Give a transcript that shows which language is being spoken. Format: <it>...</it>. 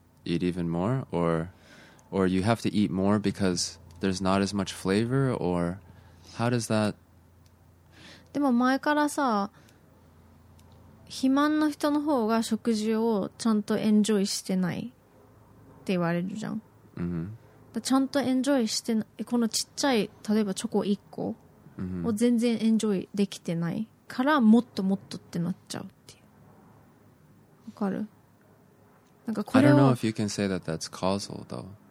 <en>eat even more, or you have to eat more because there's not as much flavor, or how does that?</en> <ja>でも前からさ、肥満の人の方が食事をちゃんとエンジョイしてないって言われるじゃん。 Mm-hmm. だちゃんとエンジョイしてない、このちっちゃい例えばチョコ1個を全然エンジョイできてないからもっともっとってなっちゃうっていう。わかる？なんかこれを。</ja> <en>I don't know if you can say that that's causal though.</en>